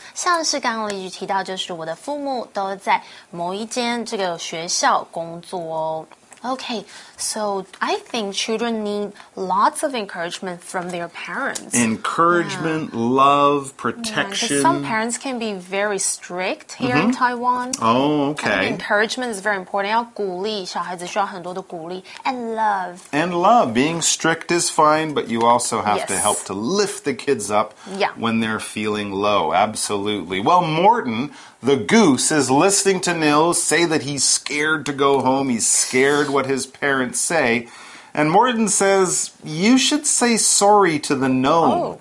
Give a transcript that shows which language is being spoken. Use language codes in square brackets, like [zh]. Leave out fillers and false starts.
[zh] 像是刚刚例句提到，就是我的父母都在某一间这个学校工作哦。 [en] Okay, so I think children need lots of encouragement from their parents. Encouragement, yeah. Love, protection. Yeah, some parents can be very strict here in Taiwan. Oh, okay. And encouragement is very important. [zh] 要鼓励，小孩子需要很多的鼓励。 [en] And love. And love. Being strict is fine, but you also have to help to lift the kids up when they're feeling low. Absolutely. Well, Morton... The goose is listening to Nils say that he's scared to go home. He's scared what his parents say. And Morton says, you should say sorry to the gnome.